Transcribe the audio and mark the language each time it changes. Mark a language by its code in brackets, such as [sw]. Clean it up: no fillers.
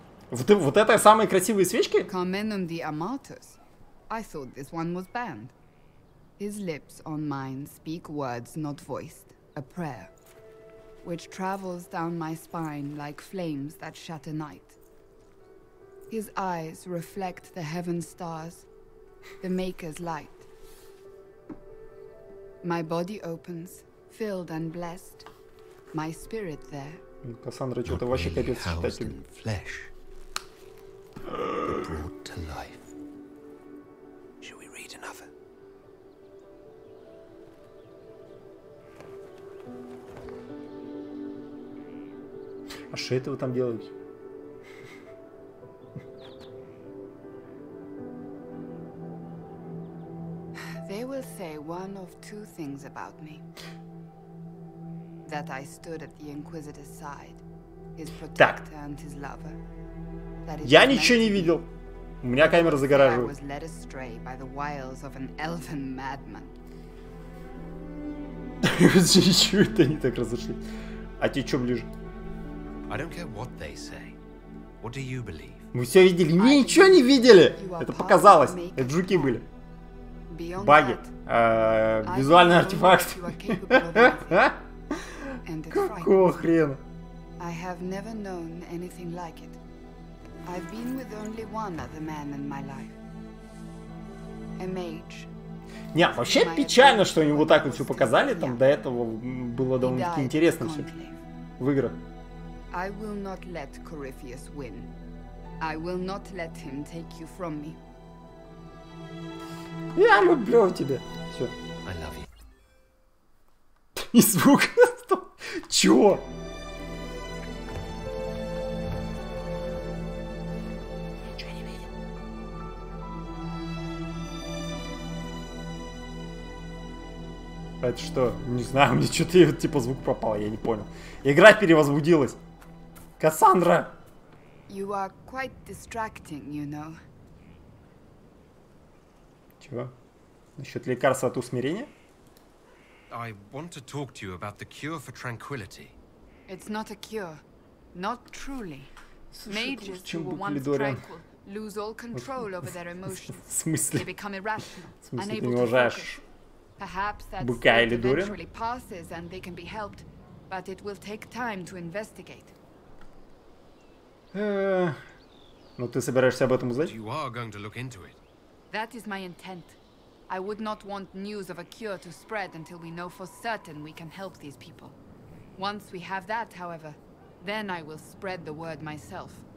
[ru] Вот это самые красивые свечки? [en] Commendum de amatus. I thought this one was banned. His lips on mine speak words not voiced, a prayer, which travels down my spine like flames that shatter night. His eyes reflect the heaven stars, the maker's light. My body opens, filled and blessed, my spirit there. [ru] Кассандра, что-то вообще капец читатель. [en] Flesh, brought to life. Shall we read another? [ru] А что это вы там делаете? [en] Say one of two things about me. That I stood at the Inquisitor's side, his protector and his lover. [ru] Я ничего не видел. У меня камера загораживает. [en] I was led astray by the wiles of an elven madman. [ru] Чего это они так разошли? А тебе что ближе? [en] I don't care what they say. What do you believe? [ru] Мы все видели. Мы ничего не видели. Это показалось. Это жуки были. Баги. Визуальный артефакт. Какого хрена? [en] I have never known anything like it. I've been with only one other man in my life. A mage. [ru] Не, вообще печально, что они вот так вот все показали. Там до этого было довольно-таки интересно все. В играх. [en] I will not let Corypheus win. I will not let him take you from me. [ru] Я люблю тебя. Все. [en] I love you. [ru] И звук. Чего? Это что? Не знаю, мне что-то типа звук пропал, я не понял. Игра перевозбудилась. Кассандра! [en] You are quite distracting, you know. [ru] Чего? Насчет лекарства от усмирения? [en] I want to talk to you about the cure for tranquility. It's not a cure. Not truly. Mages who are once tranquil lose all control over their emotions. They become irrational, unable to focus. Perhaps that eventually passes and they can be helped, but it will take time to investigate. [ru] Ну ты собираешься об этом узнать? [en] You are going to look into it. That is my intent. I would not want news of a cure to spread until we know for certain we can help these people. Once we have that, however, then I will spread the word myself.